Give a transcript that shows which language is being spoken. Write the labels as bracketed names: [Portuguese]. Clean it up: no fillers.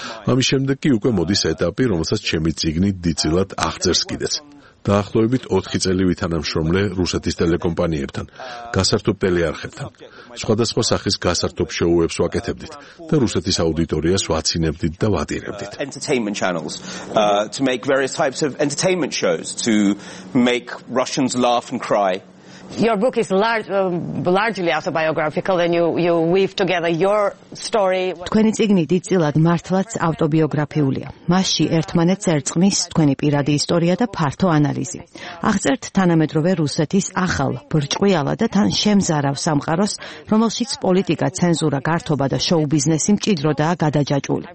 [Georgian] ამის შემდეგ კი უკვე მოდის ეტაპი, რომელსაც ჩემი წიგნი დიდწილად აღწერს კიდეც. დაახლოებით 4 წელი ვითანამშრომლე რუსეთის ტელეკომპანიებთან, გასართობ ტელეარხებთან. სხვადასხვა სახის გასართობ შოუებს ვაკეთებდით და რუსეთის აუდიტორიას ვაცინებდით და ვატირებდით. [English] Entertainment channels to make various types of entertainment shows to make Russians laugh and cry. Your book is largely autobiographical and you weave together your story. [Georgian] თქვენი წიგნი დიდწილად მართლაც ავტობიოგრაფიულია. მასში ერთმანეთს ერწყმის თქვენი პირადი ისტორია და ფართო ანალიზი. აღწერთ თანამედროვე რუსეთის ახალ, ბრჭყვიალა და თან შემზარავ სამყაროს, რომელშიც პოლიტიკა, ცენზურა, გართობა და შოუ-ბიზნესი მჭიდროდაა გადაჯაჭვული.